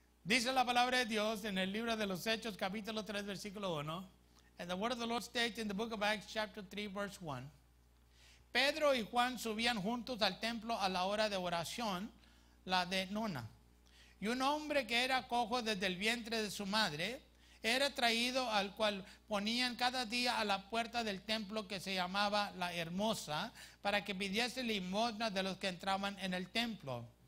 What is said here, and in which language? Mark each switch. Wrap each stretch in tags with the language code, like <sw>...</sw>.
<es>Dice la palabra de Dios en el libro de los Hechos, capítulo 3, versículo 1.</es> <en>And the word of the Lord states in the book of Acts, chapter 3, verse 1.</en> <es>Pedro y Juan subían juntos al templo a la hora de oración, la de nona. Y un hombre que era cojo desde el vientre de su madre era traído, al cual ponían cada día a la puerta del templo que se llamaba La Hermosa, para que pidiese limosna de los que entraban en el templo.</es>